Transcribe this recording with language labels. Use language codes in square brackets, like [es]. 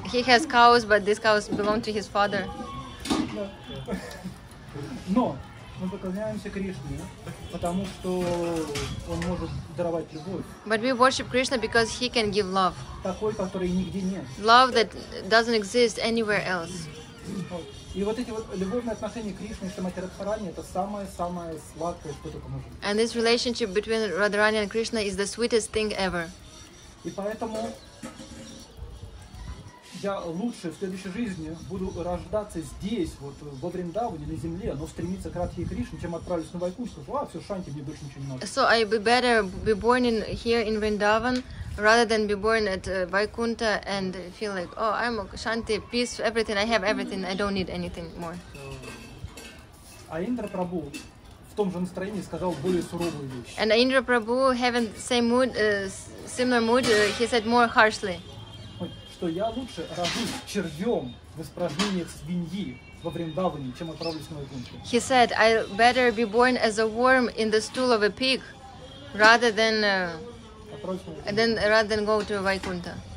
[en] He has cows, but these cows belong to his father. [ru] Но мы поклоняемся Кришне, потому что он может даровать любовь. [en] But we worship Krishna because he can give love. [ru] Такой, который нигде нет. [en] Love that doesn't exist anywhere else. [ru] И вот эти вот любовные отношения Кришны с Матерадхарани — это самое-самое сладкое, что только можно. [en] And this relationship between Radharani and Krishna is the sweetest thing ever. [ru] И поэтому я лучше в следующей жизни буду рождаться здесь, вот во Вриндаване, на земле, но стремиться к Радхе и Кришне, чем отправлюсь на Вайкунту, а все Шанти, мне больше ничего не надо. [en] So I'd be better be born in here in Vrindavan rather than be born at Vaikuntha and feel like, oh, I'm a Shanti, peace, everything, I have everything, I don't need anything more. [ru] А Индра Прабху в том же настроении сказал более суровые вещи. [en] And Индра Прабху, having same mood, similar mood, he said more harshly. [ru] Что я лучше рожусь червем в испражнениях свиньи во Вриндаване, чем отправлюсь на Вайкунтху. [en] He said, I'd better be born as a worm in the stool of a pig rather than... And then rather than go to Vaikuntha.